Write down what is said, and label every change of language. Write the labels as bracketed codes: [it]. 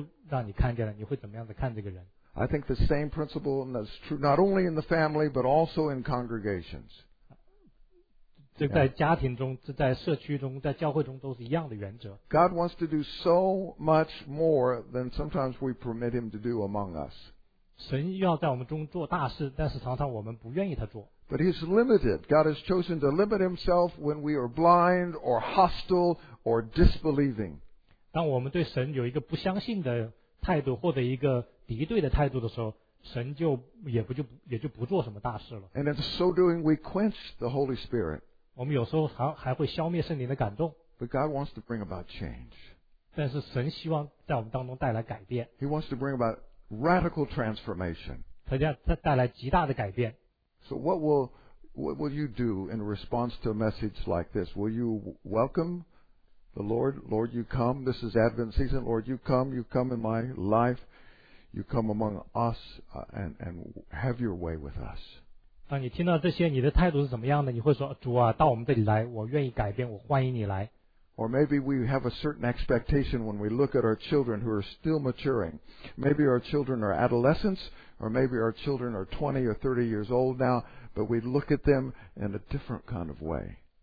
[en] I think the same principle is true not only in the family but also in congregations. [zh] 在家庭中，在社区中，在教会中都是一样的原则。 [en] God wants to do so much more than sometimes we permit Him to do among us. [zh] 神要在我们中做大事，但是常常我们不愿意他做。 [en] But He's limited. God has chosen to limit Himself when we are blind or hostile or disbelieving. [zh] 当我们对神有一个不相信的态度，或者一个敌对的态度的时候。神就不做什么大事了。 [en] And in so doing, we quench the Holy Spirit. [zh] 我们有时候还会消灭圣灵的感动。 [en] But God wants to bring about change. [zh] 但是神希望在我们当中带来改变。 [en] He wants to bring about radical transformation. [zh] 他将带来极大的改变。 [en] So what will you do in response to a message like this? Will you welcome the Lord? Lord, you come. This is Advent season. Lord, you come. You come in my life. You come among us and have your way with us. [zh] 当你听到这些，你的态度是怎么样的？你会说，主啊，到我们这里来，我愿意改变，我欢迎你来。 [en] Or maybe we have a certain expectation when we look at our children who are still maturing. Maybe our children are adolescents, or maybe our children are 20 or 30 years old now, but we look at them in a different kind of way.